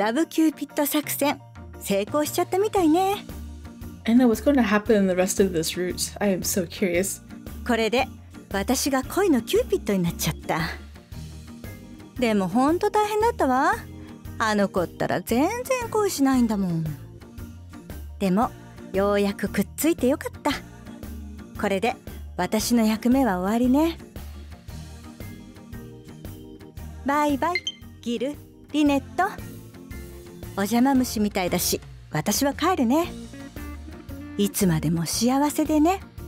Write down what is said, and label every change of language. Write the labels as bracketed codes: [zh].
[ja] クラリスちゃんのラブキューピッド作戦成功しちゃったみたいね。 [en] Anna, what's going to happen in the rest of this route? I am so curious. [ja] これで私が恋のキューピッドになっちゃった。でも本当大変だったわ。あの子ったら全然恋しないんだもん。でもようやくくっついてよかった。これで私の役目は終わりね。バイバイ、ギル、リネット。お邪魔虫みたいだし、私は帰るね。いつまでも幸せでね。